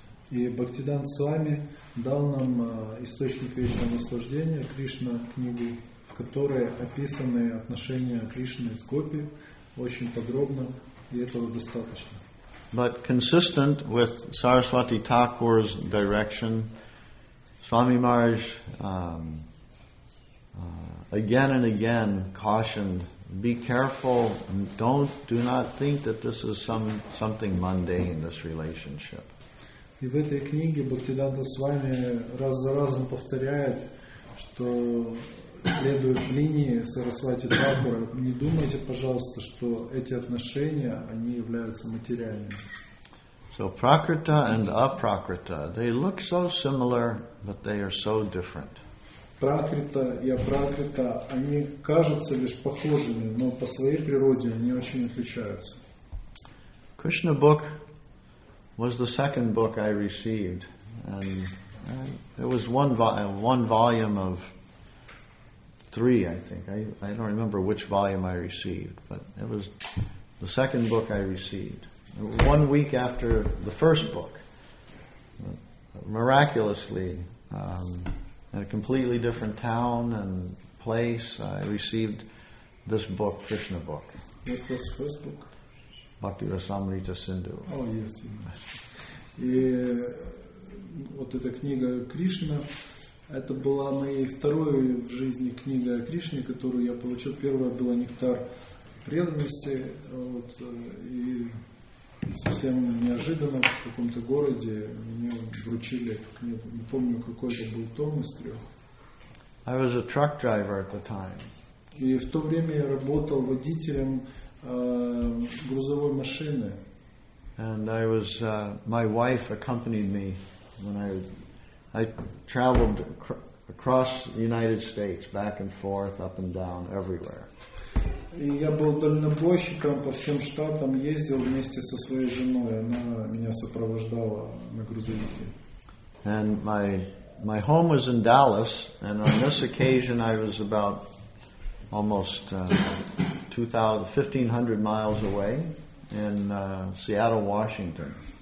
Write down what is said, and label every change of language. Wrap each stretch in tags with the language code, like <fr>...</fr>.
<ru>И Бхактидан Свами дал нам источник вечного наслаждения, Кришна книгу, в которой описаны отношения Кришны с гопи очень подробно, и этого достаточно.</ru> <en>But consistent with Saraswati Thakur's direction, Swami Maharaj again and again cautioned, be careful, do not think that this is something mundane, this relationship.</en> <ru>И в этой книге Бхактиданта Свами раз за разом повторяет, что следует линии Сарасвати Тхакура. Не думайте, пожалуйста, что эти отношения, они являются материальными.</ru> <en>So Prakrita and Aprakrita, they look so similar, but they are so different.</en> <ru>Пракрита и апракрита, они кажутся лишь похожими, но по своей природе они очень отличаются.</ru> <en>Krishna book was the second book I received, and it was one volume of three, I think. I don't remember which volume I received, but it was the second book I received. It was 1 week after the first book, miraculously. In a completely different town and place, I received this book, Krishna book. What was the first book? Bhakti Rasamrita Sindhu. Oh, yes.</en> <ru>И вот эта книга Кришна, это была моей второй в жизни книга о Кришне, которую я получил. Первая была «Нектар преданности». Вот, и совсем неожиданно в каком-то городе мне вручили книгу. Не помню, какой это был том из трех.</ru> <en>I was a truck driver at the time.</en> <ru>И в то время я работал водителем грузовой машины.</ru> <en>And I was, my wife accompanied me when I traveled across the United States, back and forth, up and down, everywhere.</en> <ru>И я был дальнобойщиком по всем штатам, ездил вместе со своей женой. Она меня сопровождала на грузовике.</ru> <en>And my home was in Dallas, and on this occasion I was about almost 1,500 miles away in Seattle, Washington.</en>